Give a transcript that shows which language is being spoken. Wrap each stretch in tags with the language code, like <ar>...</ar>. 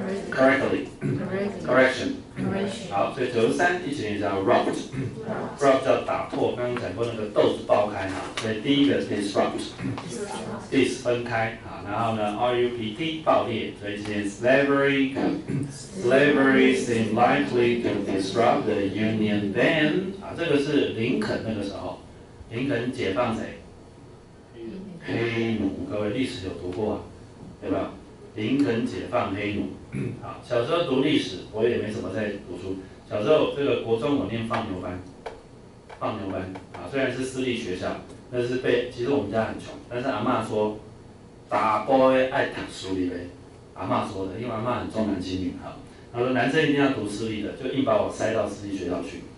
<en>Correctly, correction.</en> <zh>好，所以93一起念一下 rupt. Rupt 叫打破，刚刚讲过那个豆子爆开哈。所以第一个 disrupt, dis 分开啊，然后呢 rupt 爆裂，所以念 slavery.</zh> <en>Slavery seemed likely to disrupt the Union then.</en> <zh>啊，这个是林肯那个时候，林肯解放谁？黑奴。各位历史有读过啊，对吧？林肯解放黑奴。好，小时候读历史，我也没什么在读书。小时候这个国中我念放牛班啊，虽然是私立学校，但是被其实我们家很穷，但是阿嬷说打波爱读书里呗，阿嬷说的，因为阿嬷很重男轻女哈，她说男生一定要读私立的，就硬把我塞到私立学校去。</zh>